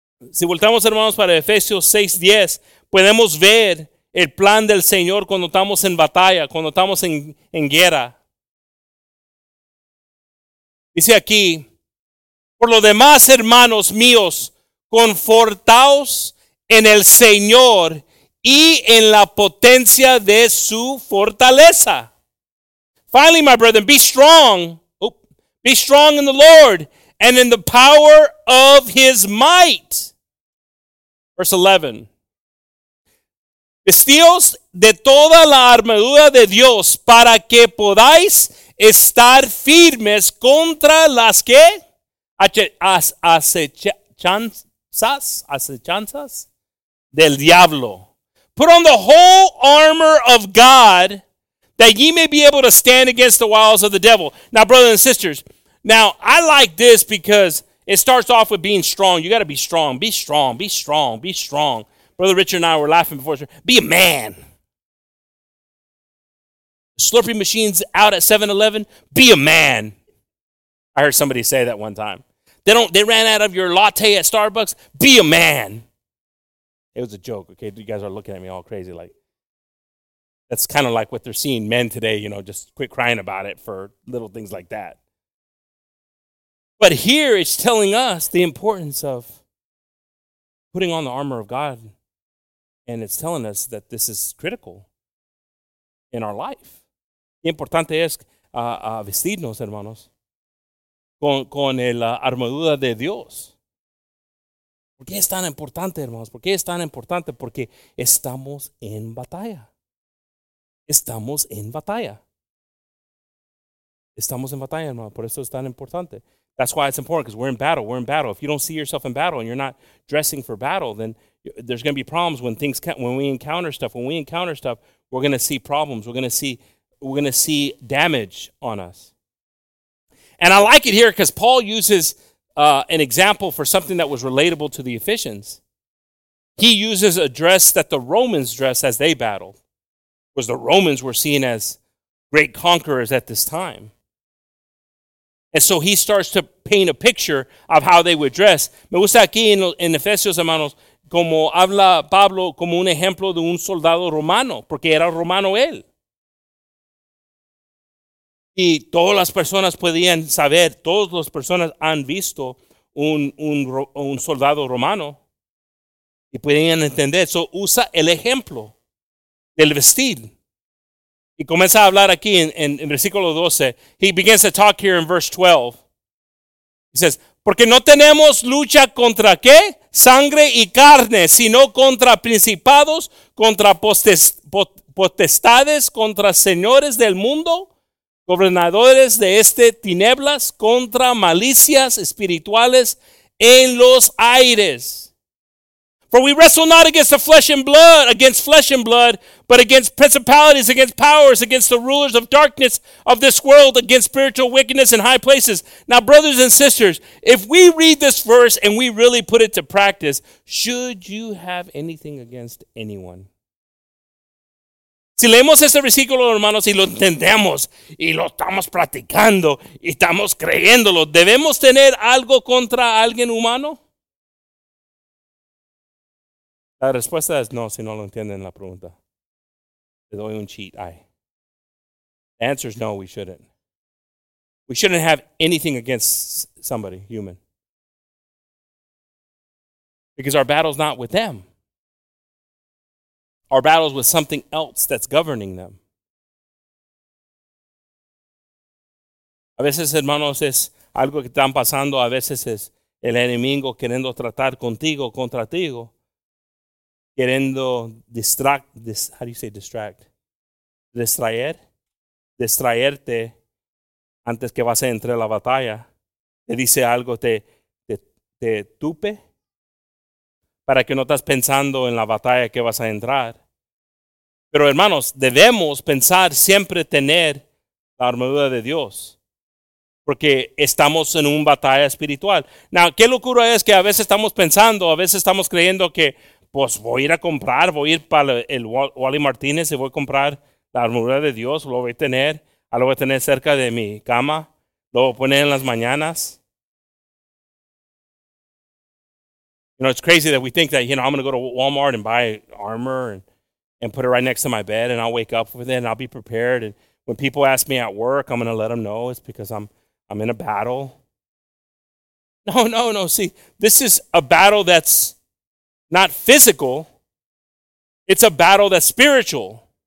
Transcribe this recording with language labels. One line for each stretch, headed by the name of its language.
Spanish: Si voltamos, hermanos, para Efesios 6:10, podemos ver el plan del Señor cuando estamos en batalla, cuando estamos en guerra. Dice aquí, por lo demás, hermanos míos, confortaos en el Señor y en la potencia de su fortaleza.
English: Finally, my brethren, be strong in the Lord and in the power of his might. Verse 11.
Spanish: Vestíos de toda la armadura de Dios para que podáis estar firmes contra las que acechanzas del diablo.
English: Put on the whole armor of God that ye may be able to stand against the wiles of the devil. Now, brothers and sisters, now I like this because it starts off with being strong. You got to be strong. Be strong. Be strong. Be strong. Brother Richard and I were laughing before. Be a man. Slurpee machines out at 7-Eleven. Be a man. I heard somebody say that one time. They ran out of your latte at Starbucks. Be a man. It was a joke. Okay, you guys are looking at me all crazy. Like, that's kind of like what they're seeing men today. You know, just quit crying about it for little things like that. But here it's telling us the importance of putting on the armor of God. And it's telling us that this is critical in our life.
Spanish: Importante es vestirnos, hermanos, con la armadura de Dios. ¿Por qué es tan importante, hermanos? ¿Por qué es tan importante? Porque estamos en batalla. Estamos en batalla. Estamos en batalla, hermano. Por eso es tan importante.
English: That's why it's important, because we're in battle. If you don't see yourself in battle and you're not dressing for battle, then there's going to be problems when we encounter stuff, we're going to see problems. We're going to see damage on us. And I like it here because Paul uses an example for something that was relatable to the Ephesians. He uses a dress that the Romans dressed as they battled, because the Romans were seen as great conquerors at this time. And so he starts to paint a picture of how they would dress.
Spanish: Me gusta aquí en Efesios, hermanos, como habla Pablo como un ejemplo de un soldado romano, porque era romano él. Y todas las personas podían saber, todas las personas han visto un soldado romano y podían entender. So usa el ejemplo del vestir. Y comienza a hablar aquí en versículo 12.
English: He begins to talk here in verse 12. He says,
Spanish: porque no tenemos lucha contra qué? Sangre y carne, sino contra principados, contra potestades contra señores del mundo, gobernadores de este tinieblas, contra malicias espirituales en los aires.
English: For we wrestle not against the flesh and blood, but against principalities, against powers, against the rulers of darkness of this world, against spiritual wickedness in high places. Now, brothers and sisters, if we read this verse and we really put it to practice, should you have anything against anyone?
Spanish: Si leemos este versículo, hermanos, y lo entendemos, y lo estamos practicando, y estamos creyéndolo, ¿debemos tener algo contra alguien humano? La respuesta es no, si no lo entienden la pregunta. Te doy un
English: cheat. Ay. The answer is no, we shouldn't. We shouldn't have anything against somebody, human. Because our battle's not with them. Our battle's with something else that's governing them.
Spanish: A veces, hermanos, es algo que están pasando. A veces es el enemigo queriendo tratar contigo, contra ti. Queriendo
English: distract, how do you say distract?
Spanish: Distraerte antes que vas a entrar a la batalla. Te dice algo, te tupe para que no estás pensando en la batalla que vas a entrar. Pero hermanos, debemos pensar siempre tener la armadura de Dios. Porque estamos en una batalla espiritual.
English: Now,
Spanish: qué locura es que a veces estamos pensando, a veces estamos creyendo que pues voy a ir a comprar, voy a ir para el Wally Martínez y voy a comprar la armadura de Dios, lo voy a tener, lo voy a tener cerca de mi cama, lo voy a poner en las mañanas.
English: You know, it's crazy that we think that, you know, I'm going to go to Walmart and buy armor and put it right next to my bed and I'll wake up with it and I'll be prepared. And when people ask me at work, I'm going to let them know it's because I'm in a battle. No. See, this is a battle that's not physical, it's a battle that's spiritual.